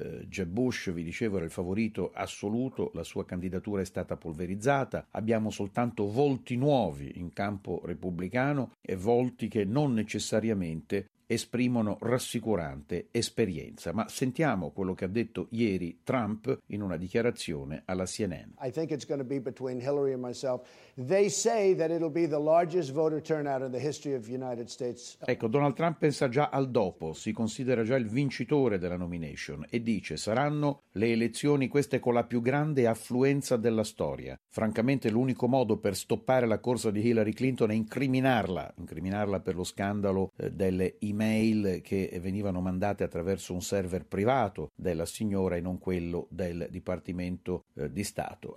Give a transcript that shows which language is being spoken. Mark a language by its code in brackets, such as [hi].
[it] Jeb Bush, vi dicevo, era il favorito assoluto, la sua candidatura è stata polverizzata, abbiamo soltanto volti nuovi in campo repubblicano e volti che non necessariamente esprimono rassicurante esperienza. Ma sentiamo quello che ha detto ieri Trump in una dichiarazione alla CNN. [en] I think it's going to be between Hillary and myself. They say that it'll be the largest voter turnout in the history of United States. [it] Ecco, Donald Trump pensa già al dopo, si considera già il vincitore della nomination e dice: saranno le elezioni queste con la più grande affluenza della storia. Francamente, l'unico modo per stoppare la corsa di Hillary Clinton è incriminarla per lo scandalo delle email che venivano mandate attraverso un server privato della signora e non quello del Dipartimento di Stato.